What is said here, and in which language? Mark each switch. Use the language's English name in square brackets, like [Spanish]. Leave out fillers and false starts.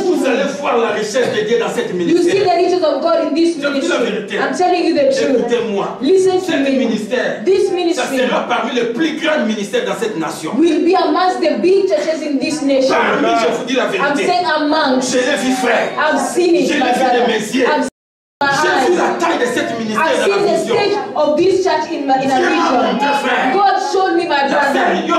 [French] vous allez voir la richesse de Dieu dans cette ministère. [English] You see the riches of God in this ministry. I'm telling you the truth. [French] Écoutez-moi. [English] Listen to me. [French] Ministère, [English] this ministry. [French] Ça sera parmi les plus grands ministères dans cette nation. [English] Will be amongst the big churches in this nation. [French] Par lui, je vous dis la vérité. [English] I'm saying amongst. [French] Je l'ai vu frère. [English] I've seen it. [French] Je l'ai vu de mes yeux. J'ai vu la taille de cette ministère dans la vision. [English] I see the stage of this church in a vision. God showed me my brother.